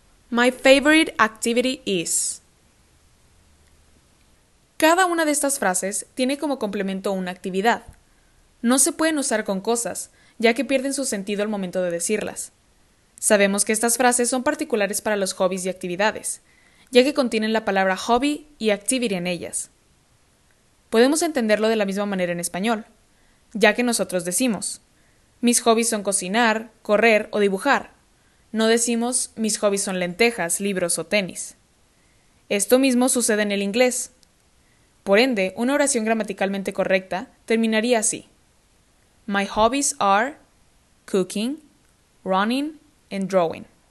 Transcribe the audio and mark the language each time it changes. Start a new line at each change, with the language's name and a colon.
English: My favorite activity is.
Spanish: Cada una de estas frases tiene como complemento una actividad. No se pueden usar con cosas, ya que pierden su sentido al momento de decirlas. Sabemos que estas frases son particulares para los hobbies y actividades, ya que contienen la palabra hobby y activity en ellas. Podemos entenderlo de la misma manera en español, ya que nosotros decimos, mis hobbies son cocinar, correr o dibujar. No decimos, mis hobbies son lentejas, libros o tenis. Esto mismo sucede en el inglés. Por ende, una oración gramaticalmente correcta terminaría así.
English: My hobbies are cooking, running, and drawing.